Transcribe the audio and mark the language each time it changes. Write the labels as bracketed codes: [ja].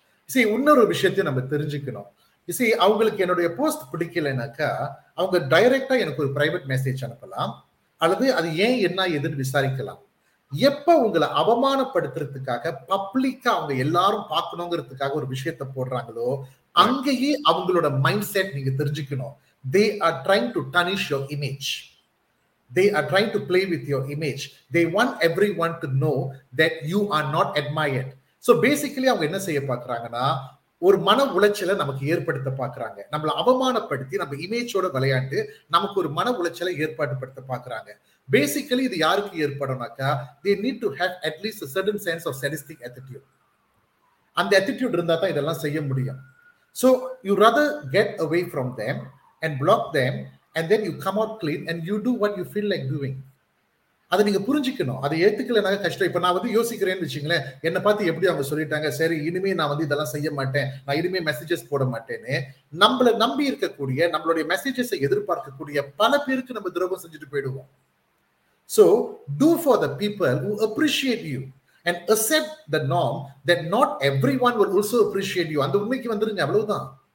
[ta] இசை இன்னொரு விஷயத்தையும் நம்ம தெரிஞ்சுக்கணும். இசை அவங்களுக்கு என்னுடைய போஸ்ட் பிடிக்கலைனாக்கா அவங்க டைரக்டா எனக்கு ஒரு பிரைவேட் மெசேஜ் அனுப்பலாம், அல்லது அது ஏன் என்ன ஏதுன்னு விசாரிக்கலாம். எப்ப உங்களை அவமானப்படுத்துறதுக்காக பப்ளிக்கா அவங்க எல்லாரும் பார்க்கணுங்கிறதுக்காக ஒரு விஷயத்த போடுறாங்களோ அங்கேயே அவங்களோட மைண்ட் செட் நீங்க தெரிஞ்சுக்கணும். [en] They are trying to tarnish your image. They are trying to play with your image. They want everyone to know that you are not admired. So basically, [ta] அவங்க என்ன செய்ய பார்க்குறாங்கன்னா ஒரு மன உளைச்சலை நமக்கு ஏற்படுத்த பார்க்குறாங்க. நம்மளை அவமானப்படுத்தி நம்ம இமேஜோட விளையாண்டு நமக்கு ஒரு மன உளைச்சலை ஏற்பாடுபடுத்த பார்க்குறாங்க. [en] basically [ta] இது யாருக்கு ஏற்படும்னாக்கா [en] they need to have at least a certain sense of sadistic attitude. [ta] அந்த attitude இருந்தால் தான் இதெல்லாம் செய்ய முடியும். [en] So you rather get away from them and block them and then you come out clean and you do what you feel like doing. [ta] அதை நீங்க புரிஞ்சுக்கணும். அதை ஏத்துக்கலாம் கஷ்டம். இப்ப நான் வந்து யோசிக்கிறேன்னு வச்சுங்களேன், என்ன பார்த்து எப்படி அவங்க சொல்லிட்டாங்க, சரி இனிமே நான் வந்து இதெல்லாம் செய்ய மாட்டேன், நான் இனிமே மெசேஜஸ் போட மாட்டேன்னு நம்மளை நம்பி இருக்கக்கூடிய நம்மளுடைய மெசேஜஸை எதிர்பார்க்கக்கூடிய பல பேருக்கு நம்ம துரோகம் செஞ்சுட்டு போயிடுவோம். [en] So do for the people who appreciate you and accept the norm that not everyone will also appreciate you. [ta] அந்த உண்மைக்கு வந்துருங்க, அவ்வளவுதான்.